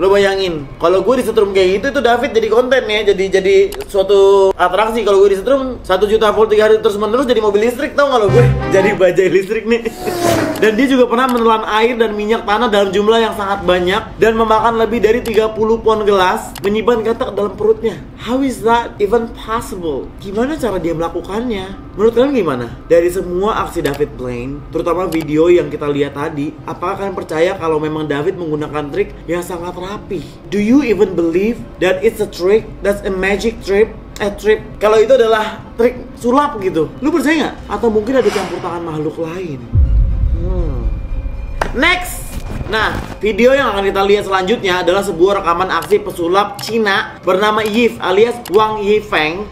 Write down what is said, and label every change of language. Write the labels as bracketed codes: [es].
[id] Lo bayangin, kalau gue disetrum kayak gitu, itu David jadi konten ya, jadi suatu atraksi. Kalau gue disetrum 1 juta volt 3 hari terus-menerus jadi mobil listrik, tau gak lo gue? Jadi bajai listrik nih. Dan dia juga pernah menelan air dan minyak tanah dalam jumlah yang sangat banyak dan memakan lebih dari 30 pond gelas menyimpan katak dalam perutnya. [en] How is that even possible? [id] Gimana cara dia melakukannya? Menurut kalian gimana? Dari semua aksi David Blaine, terutama video yang kita lihat tadi, apakah kalian percaya kalau memang David menggunakan trik yang sangat rapi? [en] Do you even believe that it's a trick? That's a magic trip? [id] Kalau itu adalah trik sulap gitu, lu percaya gak? Atau mungkin ada campur tangan makhluk lain? Next! Nah, video yang akan kita lihat selanjutnya adalah sebuah rekaman aksi pesulap Cina bernama Yif alias Wang Yifeng.